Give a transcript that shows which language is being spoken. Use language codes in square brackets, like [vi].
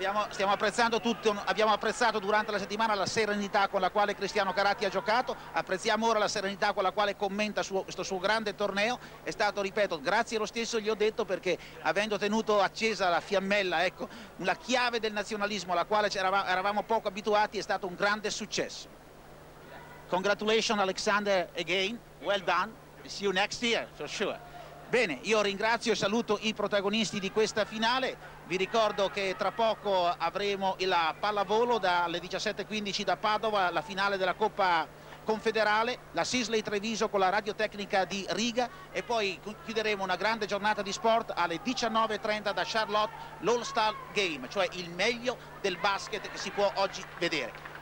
[it] Stiamo apprezzando tutto, abbiamo apprezzato durante la settimana la serenità con la quale Cristiano Caratti ha giocato, apprezziamo ora la serenità con la quale commenta questo suo grande torneo. È stato, ripeto, grazie lo stesso gli ho detto, perché avendo tenuto accesa la fiammella, ecco, la chiave del nazionalismo alla quale eravamo poco abituati, è stato un grande successo. [en] Congratulations Alexander again, well done, see you next year for sure. [it] Bene, io ringrazio e saluto i protagonisti di questa finale. Vi ricordo che tra poco avremo la pallavolo dalle 17.15 da Padova, la finale della Coppa Confederale, la Sisley Treviso con la radiotecnica di Riga, e poi chiuderemo una grande giornata di sport alle 19.30 da Charlotte, l'All-Star Game, cioè il meglio del basket che si può oggi vedere.